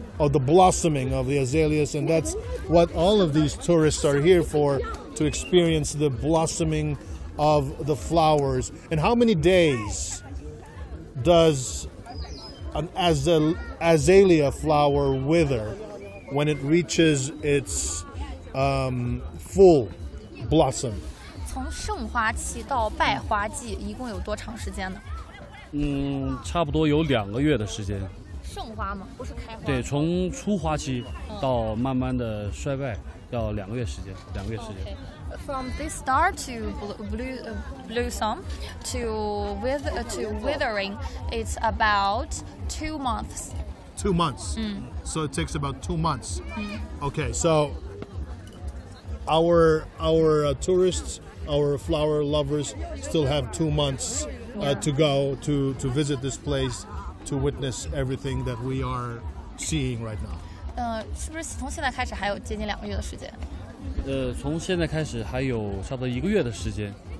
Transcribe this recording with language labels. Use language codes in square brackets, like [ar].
[en] Of the blossoming of the azaleas, and that's what all of these tourists are here for, to experience the blossoming of the flowers. And how many days does an azalea flower wither when it reaches its full blossom? [zh] 从盛花期到败花季一共有多长时间呢？差不多有2个月的时间。盛花吗？不是开花。对，从初花期到慢慢的衰败，要两个月时间。 [en] Okay. From this star to blossom to withering, it's about 2 months. 2 months. So it takes about 2 months. Okay. So our tourists, our flower lovers, still have 2 months to go to visit this place to witness everything that we are seeing right now. [zh] 是不是从现在开始还有接近两个月的时间？从现在开始还有差不多一个月的时间。